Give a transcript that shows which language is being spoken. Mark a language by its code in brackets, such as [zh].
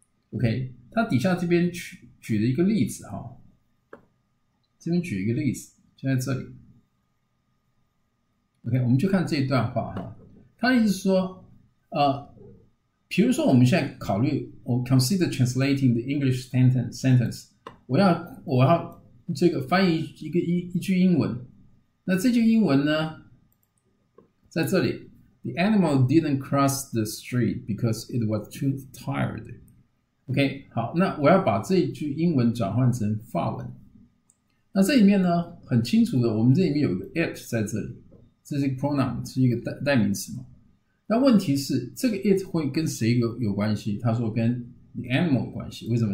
[zh] OK， 它底下这边举了一个例子哈，这边举一个例子，就在这里。 OK， 我们就看这一段话哈，它的意思是说，比如说我们现在考虑，我 [en] consider translating the English sentence， [zh] 我要。这个翻译一句英文，那这句英文呢，在这里 [en] ，The animal didn't cross the street because it was too tired. [zh] OK， 好，那我要把这句英文转换成法文。那这里面呢，很清楚的，我们这里面有一个 it 在这里，这是一个 pronoun， 是一个代名词嘛。那问题是，这个 it 会跟谁有关系？他说跟 the animal 有关系。为什么？